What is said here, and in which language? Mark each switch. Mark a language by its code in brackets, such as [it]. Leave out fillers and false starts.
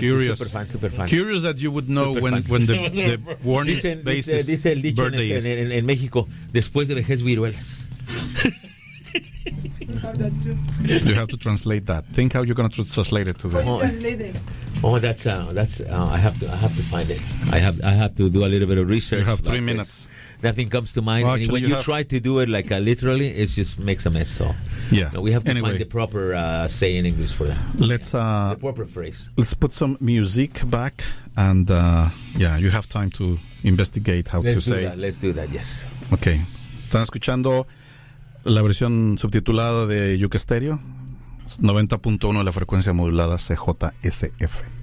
[en] Curious that you would know when the Warning bases birthday [es] Dice el dicho en México, después de vejez viruelas. [en] You have to translate that. Think how you're going to translate it to them. Oh, that's I have to find it. I have to do a little bit of research. You have 3 minutes. Nothing comes to mind. Well, actually, when you try to do it like literally, it just makes a mess. So yeah, we have to find the proper say in English for that. Let's the proper phrase. Let's put some music back, and you have time to investigate how let's to say. That. Let's do that. Yes. Okay. [es] Están escuchando la versión subtitulada de Yuke Stereo, 90.1 de la frecuencia modulada CJSF.